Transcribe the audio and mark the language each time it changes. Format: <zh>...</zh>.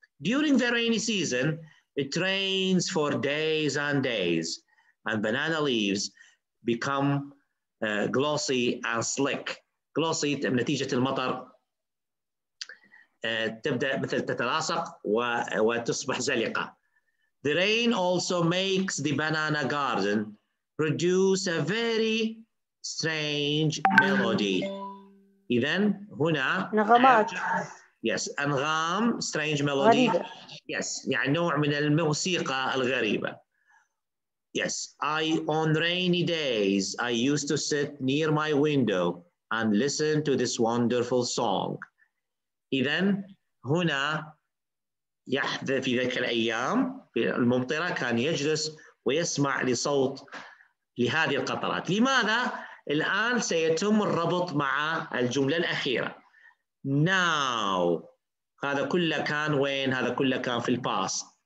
<en>During the rainy season it rains for days and days and banana leaves become glossy and slick.</en> <ar>glossy نتيجة المطر تبدأ مثل تتلاصق وتصبح زلقة.</ar> <en>The rain also makes the banana garden produce a very strange melody.</en> <ar>إذن هنا نغمات. Yes, أنغام,</ar> <en>strange melody.</en> <ar>غريبة. Yes, يعني نوع من الموسيقى الغريبة.</ar> <en>Yes, I on rainy days I used to sit near my window and listen to this wonderful song.</en> <ar>إذن هنا يحدث في ذلك الأيام الممطرة كان يجلس ويسمع لصوت لهذه القطرات. لماذا؟ الآن سيتم الربط مع الجملة الأخيرة. Now هذا كله كان وين؟ هذا كله كان في الباست.</ar>